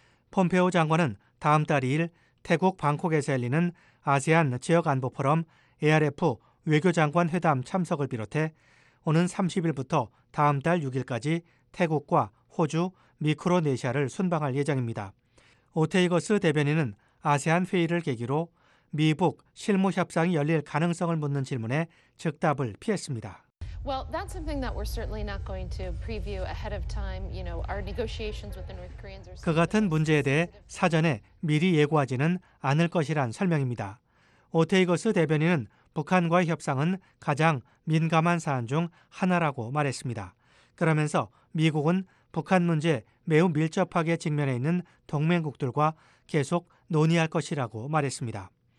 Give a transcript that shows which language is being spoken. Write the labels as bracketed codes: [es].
[ko] 폼페오 장관은 다음 달 2일 태국 방콕에서 열리는 아세안 지역안보 포럼 ARF 외교장관 회담 참석을 비롯해 오는 30일부터 다음 달 6일까지 태국과 호주, 미크로네시아를 순방할 예정입니다. 오테이거스 대변인은 아세안 회의를 계기로 미북 실무 협상이 열릴 가능성을 묻는 질문에 즉답을 피했습니다. [en] Well, that's something that we're certainly not going to preview ahead of time. You know, our negotiations with the North Koreans are [ko] 그 같은 문제에 대해 사전에 미리 예고하지는 않을 것이란 설명입니다. 오테이거스 대변인은 북한과의 협상은 가장 민감한 사안 중 하나라고 말했습니다. 그러면서 미국은 북한 문제 매우 밀접하게 직면해 있는 동맹국들과 계속 논의할 것이라고 말했습니다.